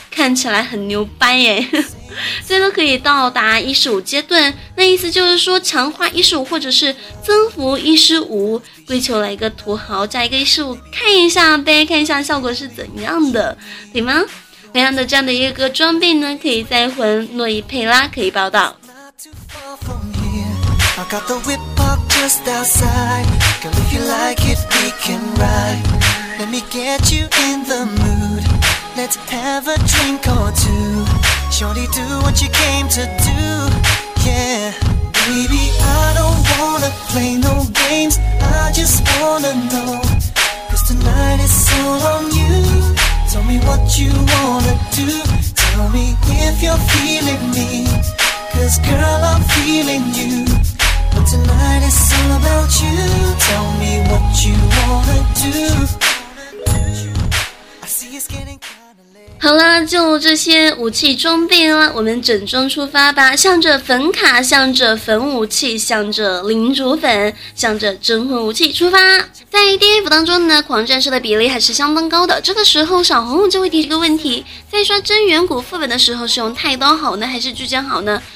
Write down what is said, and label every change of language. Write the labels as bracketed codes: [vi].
[zh] 看起来很牛掰耶。最多可以到达15阶段，那意思就是说强化15或者是增幅15，跪求来一个土豪加一个15看一下呗，看一下效果是怎样的，对吗？同样的这样的一个装备呢，可以在魂诺伊佩拉可以报道。 [en] I got the whip parked just outside. Girl, if you like it, we can ride. Let me get you in the mood. Let's have a drink or two. Shorty, do what you came to do. Yeah. Baby, I don't wanna play no games. I just wanna know. Cause tonight is all on you. Tell me what you wanna do. Tell me if you're feeling me. Cause girl, I'm feeling you. But tonight is all about you. Tell me what you wanna do. I see you skating. [zh] 好了，就这些武器装备了，我们整装出发吧，向着粉卡，向着粉武器，向着领主粉，向着真魂武器出发。在 DF 当中呢，狂战士的比例还是相当高的，这个时候小红红就会提一个问题，在刷真元谷副本的时候是用太刀好呢还是巨剑好呢？